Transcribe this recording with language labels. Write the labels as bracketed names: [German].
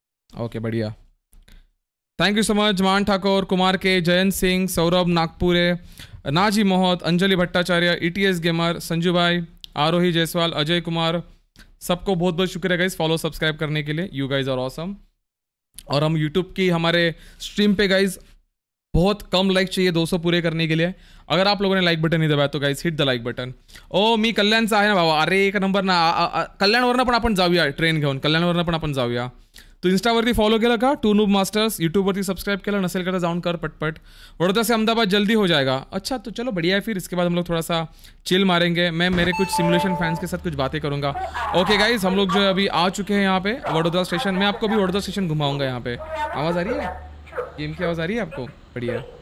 [Hindi] Okay बढ़िया, thank you so much मान ठाकुर, कुमार के, जयंत सिंह, सौरभ नागपुरे, नाजी मोहत, अंजलि भट्टाचार्य, ETS गेमर, संजू भाई, आरोही जायसवाल, अजय कुमार, सबको बहुत बहुत शुक्रिया गाइज फॉलो सब्सक्राइब करने के लिए, [English] You guys are awesome. [Hindi] और हम यूट्यूब की हमारे स्ट्रीम पे गाइज बहुत कम लाइक चाहिए 200 पूरे करने के लिए। अगर आप लोगों ने लाइक बटन नहीं दबाया तो guys [English] Hit the like button. [Marathi] ओ मी कल्याण सा है ना बाबा, अरे एक नंबर ना, कल्याणवरून पण आपण जाऊया ट्रेन घेऊन, कल्याणवरून पण आपण जाऊया। तू इंस्टावरती फॉलो केलं का टू नूब मास्टर्स, यूट्यूबवरती सब्सक्राइब केलं नसेल का जाऊन कर पटपट। [Hindi] वडोदरा से अहमदाबाद जल्दी हो जाएगा, अच्छा तो चलो बढ़िया है, फिर इसके बाद हम लोग थोड़ा सा चिल मारेंगे, मैं मेरे कुछ सिमुलेशन फैंस के साथ कुछ बातें करूंगा। ओके गाइज हम लोग जो है अभी आ चुके हैं यहाँ पे वडोदरा स्टेशन, मैं आपको अभी वडोदरा स्टेशन घुमाऊंगा। यहाँ पे आवाज़ आ रही है, गेम की आवाज़ आ रही है आपको? बढ़िया।